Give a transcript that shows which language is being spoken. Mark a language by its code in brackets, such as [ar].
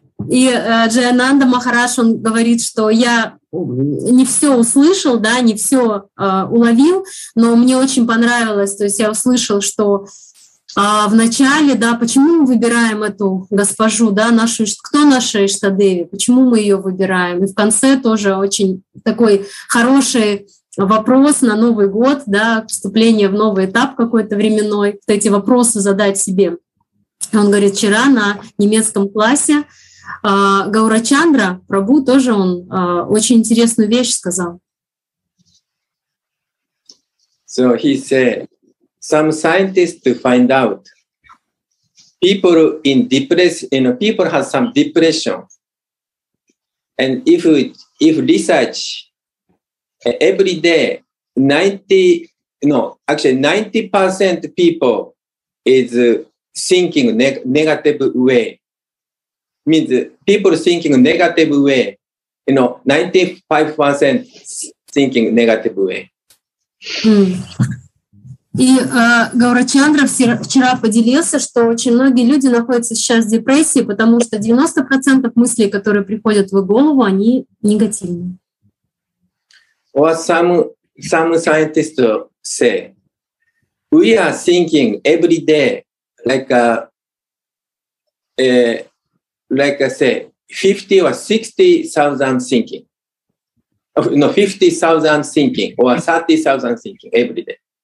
[ru] И Джаянанда Махарадж, он говорит, что я не все услышал, да, не все уловил, но мне очень понравилось, то есть я услышал, что в начале, да, почему мы выбираем эту госпожу, да, нашу, кто наша Иштадеви, почему мы ее выбираем, и в конце тоже очень такой хороший вопрос на Новый год, да, вступление в новый этап какой-то временной, вот эти вопросы задать себе. Он говорит, вчера на немецком классе Гаурачандра Прабу тоже он очень интересную вещь сказал. [en] So he said, some scientists find out people in depression, you know, people have some depression, and if research every day 90% people is thinking negative way means people thinking negative way, you know, 95% thinking negative way. [ru] И Гаурачандра вчера поделился, что очень многие люди находятся сейчас в депрессии, потому что 90% мыслей, которые приходят в их голову, они негативные. [en] What some scientists say, we are thinking every day like I say, 50 or 60,000 thinking, no, 50,000 thinking or 30,000 thinking every day.